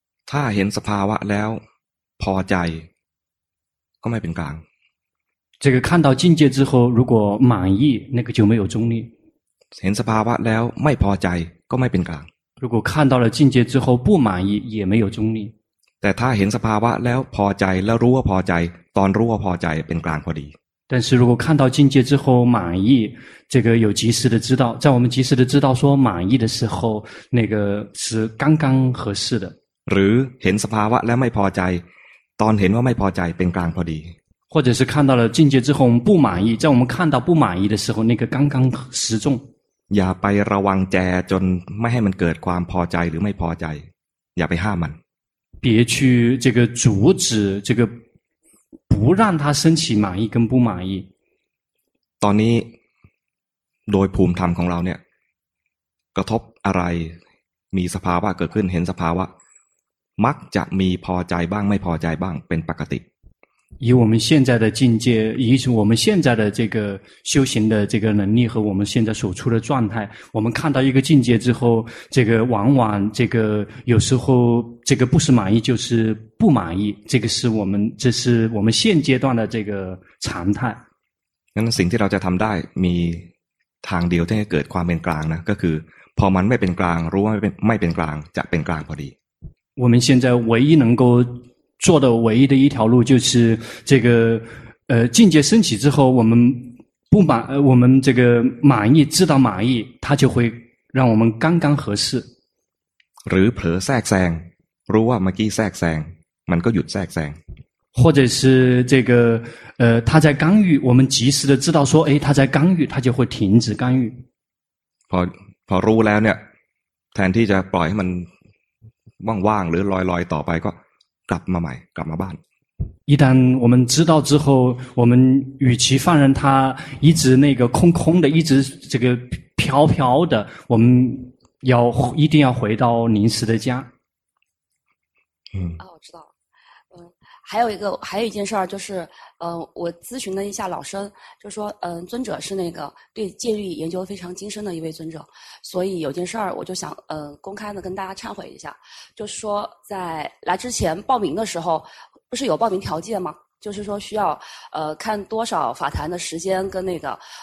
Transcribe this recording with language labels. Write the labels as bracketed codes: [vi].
[th] ถ้าเห็นสภาวะแล้วพอใจก็ไม่เป็นกลาง [zh] 这个看到境界之后如果满意那个就没有中立 [th] เห็นสภาวะแล้วไม่พอใจก็ไม่เป็นกลาง [zh] 如果看到了境界之后不满意也没有中立 [th] แต่ถ้าเห็นสภาวะแล้วพอใจแล้วรู้ว่าพอใจตอนรู้ว่าพอใจเป็นกลางพอดี [zh] 但是如果看到境界之后满意，这个有及时的知道，在我们及时的知道说满意的时候，那个是刚刚合适的。 [th] หรือเห็นสภาวะแล้วไม่พอใจตอนเห็นว่าไม่พอใจเป็นกลางพอดี [zh] 或者是看到了境界之后不满意，在我们看到不满意的时候，那个刚刚失重。 [th] อย่าไประวังแจจนไม่ให้มันเกิดความพอใจหรือไม่พอใจอย่าไปห้ามมัน [zh] 别去这个阻止这个。不让他升起满意跟不满意。 [th] ตอนนี้โดยภูมิธรรมของเราเนี่ยกระทบอะไรมีสภาวะเกิดขึ้นเห็นสภาวะมักจะมีพอใจบ้างไม่พอใจบ้างเป็นปกติ [zh] 以我们现在的境界，以我们现在的这个修行的这个能力和我们现在所处的状态，我们看到一个境界之后，这个往往这个有时候这个不是满意就是不满意，这个是我们这是我们现阶段的这个常态。 [th] งั้นสิ่งที่เราจะทำได้มีทางเดียวที่จะเกิดความเป็นกลางนะก็คือพอมันไม่เป็นกลางรู้ว่าไม่เป็นกลางจะเป็นกลางพอดี。 [zh] 我们现在唯一能够做的唯一的一条路就是这个境界升起之后我们不满我们这个满意知道满意它就会让我们刚刚合适 [th] หรือเผลอแทรกแซงรู้ว่าเมื่อกี้แทรกแซงมันก็หยุดแทรกแซง [zh] 或者是这个他在干预我们及时的知道说诶他在干预他就会停止干预 [th] พอรู้แล้วเนี่ยแทนที่จะปล่อยให้มันว่างๆหรือลอยๆต่อไปก็กลับมาใหม่กลับมาบ้าน [zh] 一旦我们知道之后我们与其放任它一直那个空空的一直这个飘飘的我们要一定要回到临时的家哦我知道还有一件事就是我咨询了一下老生就说尊者是那个对戒律研究非常精深的一位尊者所以有件事我就想公开的跟大家忏悔一下就是说在来之前报名的时候不是有报名条件吗就是说需要看多少法坛的时间跟那个